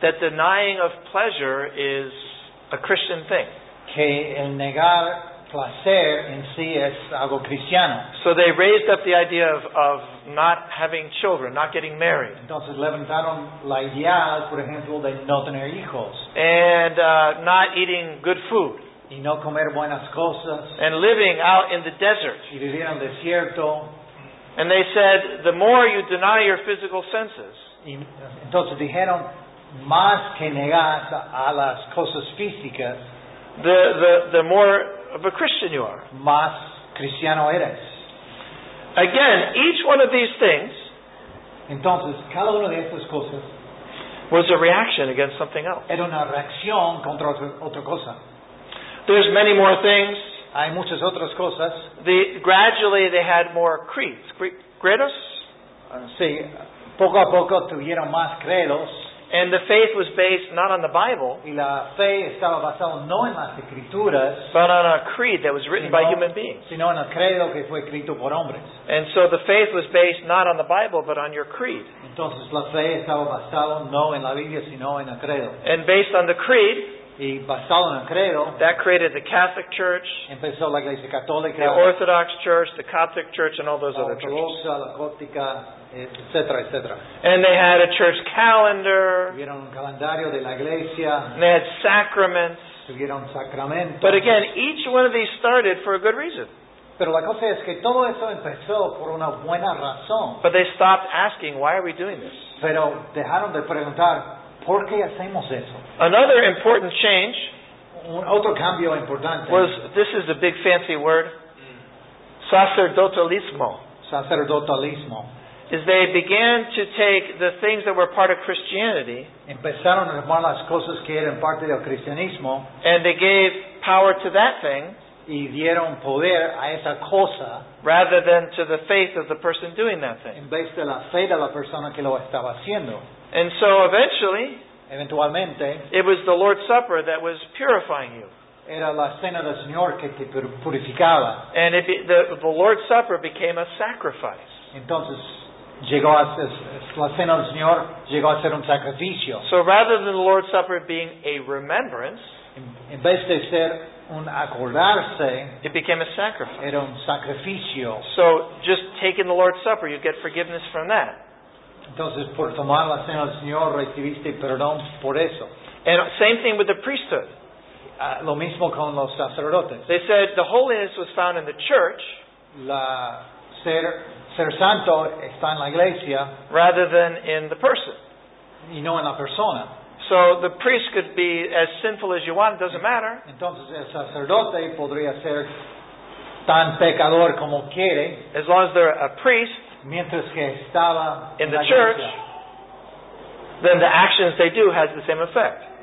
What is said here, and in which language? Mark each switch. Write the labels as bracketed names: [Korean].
[English] that denying of pleasure is a Christian thing. [Spanish] Que el negar placer en sí es algo cristiano. [English] So they raised up the idea of not having children, not getting married. [Spanish] Entonces levantaron la idea, por ejemplo, de no tener hijos. [English] And not eating good food. [Spanish] Y no comer buenas cosas. [English] And living out in the desert. [Spanish] Y vivir en desierto. [English] And they said, the more you deny your physical senses, [Spanish] entonces dijeron, más que negas a las cosas físicas, [English] the more of a Christian you are. [Spanish] Más cristiano eres. [English] Again, each one of these things, [Spanish] entonces, cada una de estas cosas, [English] was a reaction against something else. [Spanish] Era una reacción contra otra cosa. [English] There's many more things. [Spanish] Hay muchas otras cosas. [English] Gradually they had more creeds. Credos? [Spanish] Sí. Poco a poco tuvieron más credos. [English] And the faith was based not on the Bible. [Spanish] Y la fe estaba basada no en las escrituras. [English] But on a creed that was written by human beings. [Spanish] Sino en el credo que fue escrito por hombres. [English] And so the faith was based not on the Bible but on your creed. [Spanish] Entonces la fe estaba basada no en la Biblia sino en el credo. [English] And based on the creed, [Spanish] y basado en el credo, [English] that created the Catholic Church, [Spanish] empezó la Iglesia Católica, [English] the Orthodox Church, the Coptic Church, and all those other churches. [Spanish] La Cótica, etc., etc. [English] And they had a church calendar. [Spanish] Tuvieron un calendario de la iglesia. [English] And they had sacraments. [Spanish] Tuvieron sacramentos. [English] But again, each one of these started for a good reason. [Spanish] Pero la cosa es que todo eso empezó por una buena razón. [English] But they stopped asking, why are we doing this? [Spanish] Pero dejaron de preguntar, ¿por qué hacemos eso? [English] Another important change, [Spanish] otro cambio importante, [English] was, this is a big fancy word, sacerdotalismo. [Spanish] Sacerdotalismo. [English] Is they began to take the things that were part of Christianity, [Spanish] empezaron a tomar las cosas que eran parte del cristianismo, [English] and they gave power to that thing, [Spanish] y dieron poder a esa cosa, [English] rather than to the faith of the person doing that thing. [Spanish] En vez de la fe de la persona que lo estaba haciendo. [English] And so eventually, [Spanish] eventualmente, [English] it was the Lord's Supper that was purifying you. [Spanish] Era la cena del Señor que te purificaba. [English] And it the Lord's Supper became a sacrifice. [Spanish] Entonces, llegó a ser, la cena del Señor llegó a ser un sacrificio. [English] So rather than the Lord's Supper being a remembrance, [Spanish] en vez de ser un acordarse, [English] it became a sacrifice. [Spanish] Era un sacrificio. [English] So just taking the Lord's Supper, you get forgiveness from that. [Spanish] Entonces, por tomar la cena del Señor, recibiste perdón por eso. [English] And same thing with the priesthood. [Spanish] Lo mismo con los sacerdotes. [English] They said the holiness was found in the church. [Spanish] La ser santo está en la iglesia. [English] Rather than in the person. [Spanish] Y no en la persona. [English] So the priest could be as sinful as you want, doesn't matter. [Spanish] Entonces, el sacerdote podría ser tan pecador como quiere. [English] As long as they're a priest. [Spanish] Mientras que estaba [English] in the church, then the actions they do has the same effect.